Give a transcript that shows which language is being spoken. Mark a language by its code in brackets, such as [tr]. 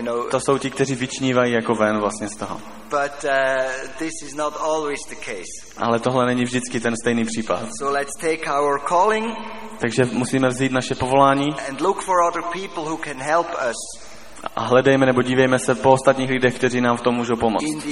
[cs] To jsou ti, kteří vyčnívají jako ven vlastně z toho. [en] But this is not always the case. [cs] Ale tohle není vždycky ten stejný případ. [en] So let's take our calling. [cs] Takže musíme vzít naše povolání. [en] And look for other people who can help us. [cs] A hledejme nebo dívejme se po ostatních lidech, kteří nám v tom můžou pomoct.